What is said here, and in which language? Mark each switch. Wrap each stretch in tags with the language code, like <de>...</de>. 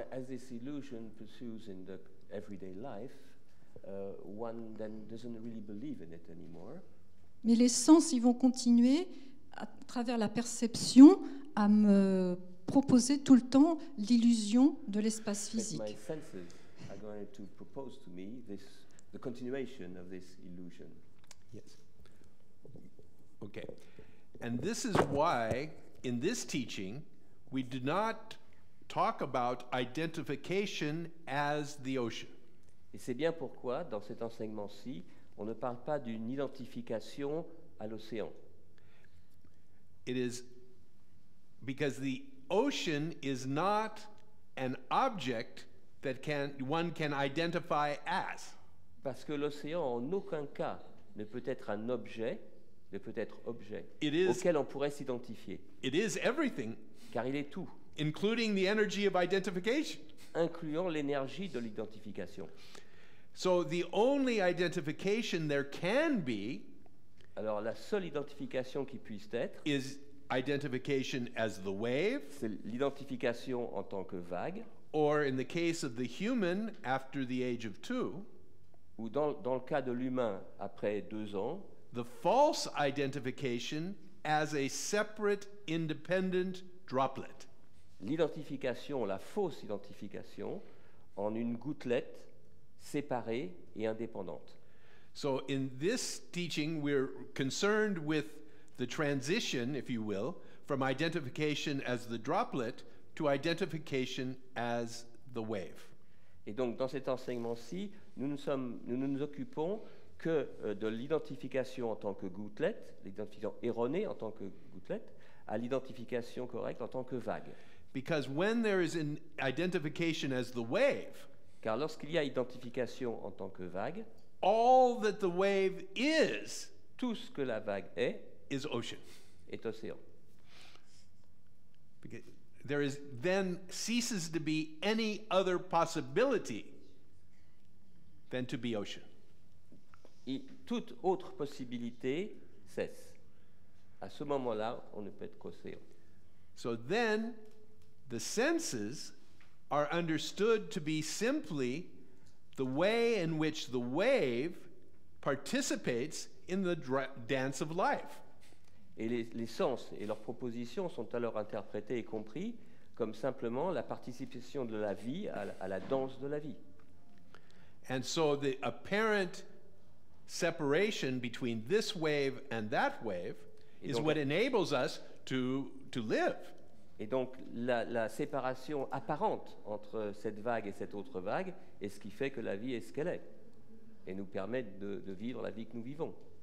<en>As this illusion pursues in the everyday life, one then doesn't really believe in it anymore.</en> <fr>Mais les sens, ils vont continuer à travers la perception à me proposer tout le temps l'illusion de l'espace physique.</fr> <en>My senses are going to propose to me this, the continuation of this illusion. Yes. Okay. And this is why, in this teaching, we do not talk about identification as the ocean.</en> <fr>Et c'est bien pourquoi, dans cet enseignement-ci, on ne parle pas d'une identification à l'océan.</fr> <en>It is because the ocean is not an object that can one can identify as.</en> <fr>Parce que l'océan, en aucun cas, ne peut être un objet. De peut-être objet</fr> <en>it is,</en> <fr>auquel on pourrait s'identifier.</fr> <en>It is everything,</en> <fr>car il est tout,</fr> <en>including the energy of identification.</en> <fr>Incluant l'énergie de l'identification.</fr> <en>So the only identification there can be,</en> <fr>alors la seule identification qui puisse être,</fr> <en>is identification as the wave,</en> <fr>c'est l'identification en tant que vague,</fr> <en>or in the case of the human after the age of two,</en> <fr>ou dans le cas de l'humain après 2 ans.</fr> <en>The false identification as a separate, independent droplet.</en> <fr>L'identification, la fausse identification, en une gouttelette séparée et indépendante.</fr> <en>So in this teaching, we're concerned with the transition, if you will, from identification as the droplet to identification as the wave.</en> <fr>Et donc dans cet enseignement-ci, nous occupons que de l'identification en tant que gouttelette, l'identification erronée en tant que gouttelette, à l'identification correcte en tant que vague.</fr> <en>Because when there is an identification as the wave,</en> <fr>car lorsqu'il y a identification en tant que vague,</fr> <en>all that the wave is,</en> <fr>tout ce que la vague est,</fr> <en>is ocean.</en> <fr>Est océan.</fr> <en>Because there is then ceases to be any other possibility than to be ocean.</en> <fr>Et toute autre possibilité cesse. À ce moment-là, on ne peut être qu'océan.</fr> <en>So then, the senses are understood to be simply the way in which the wave participates in the dance of life.</en> <fr>Et les sens et leurs propositions sont alors interprétés et compris comme simplement la participation de la vie à la danse de la vie.</fr> <en>And so the apparent separation between this wave and that wave is what enables us to live.</en> <fr>Et donc la séparation apparente entre cette vague et cette autre vague est ce qui fait que la vie est ce qu'elle est et nous permet de vivre la vie que nous vivons.</fr>